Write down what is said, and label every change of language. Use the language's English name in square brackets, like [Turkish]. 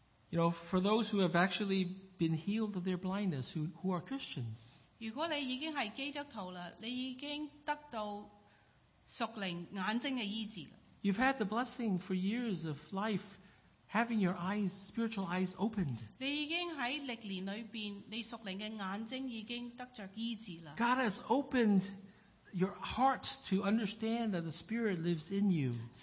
[English] You know, for those who have actually been healed of their blindness, who are Christians, [Chinese] 如果你已经是基督徒了, 你已经得到属灵眼睛的医治了, [English] you've had the blessing for years of life having your eyes, spiritual eyes opened. God has opened your heart to understand that the Spirit lives in you.